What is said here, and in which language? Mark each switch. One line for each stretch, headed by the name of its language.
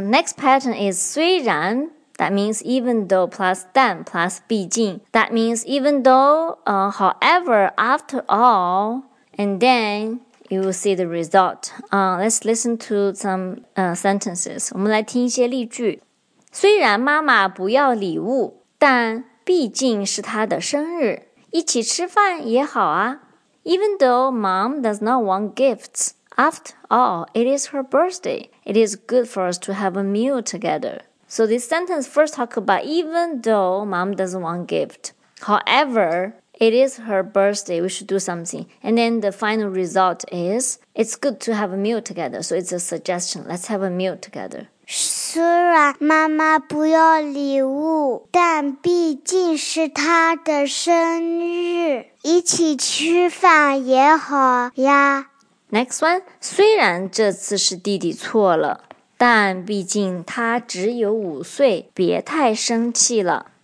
English: Next pattern is 虽然 that means even though plus 但 plus 毕竟 that means even though, however, after all, and then you will see the result. Let's listen to some sentences.
Chinese: 我们来听一些例句。虽然妈妈不要礼物，但毕竟是她的生日。一起吃饭也好啊。
English: Even though mom does not want gifts, after all, it is her birthday. It is good for us to have a meal together. So this sentence first talk about even though mom doesn't want gift. However, it is her birthday, we should do something. And then the final result is, it's good to have a meal together. So it's a suggestion, let's have a meal together.
Chinese: 虽然妈妈不要礼物，但毕竟是她的生日，一起吃饭也好呀。
English: Next one，
Chinese: 虽然这次是弟弟错了，但毕竟他只有五岁，别太生气了。